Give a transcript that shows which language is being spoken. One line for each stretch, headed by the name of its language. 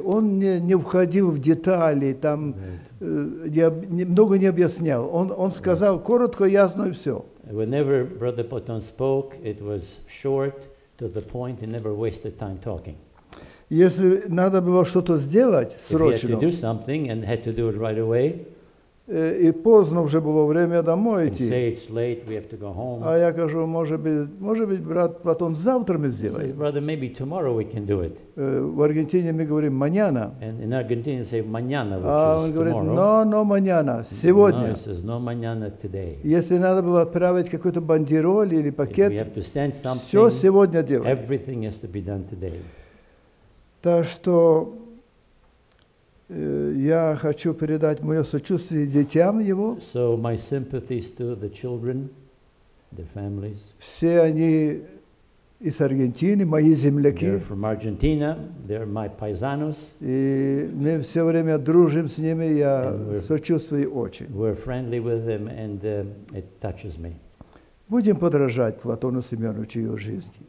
Russian: Он не входил в детали, там, много не объяснял. Он сказал коротко, ясно и все.
English: Whenever brother Platon spoke, it was short, to the point, and never wasted time talking.
Russian: Если надо было что-то сделать срочно,
English: if he had to do something and had to do it right away,
Russian: И поздно уже было время домой идти.
English: Say it's late, we have to go home.
Russian: А я говорю, может быть, брат Платон, завтра мы сделаем.
English: Says, brother, maybe tomorrow we can do it.
Russian: В Аргентине мы говорим маньяна.
English: And in Argentina say mañana, which
Russian: а он Говорит, но маньяна, сегодня.
English: No, says, no, mañana, today.
Russian: Если надо было отправить какую-то бандероль или пакет,
English: we have to send something,
Russian: все сегодня делаем.
English: Everything has to be done today.
Russian: Так что я хочу передать мое сочувствие детям его.
English: So my sympathies to the children, the families.
Russian: Все они из Аргентины, мои земляки.
English: They're from Argentina. They're my paisanos.
Russian: И мы все время дружим с ними, я сочувствую очень.
English: We're friendly with them, and it touches me.
Russian: Будем подражать Платону Семеновичу его жизни.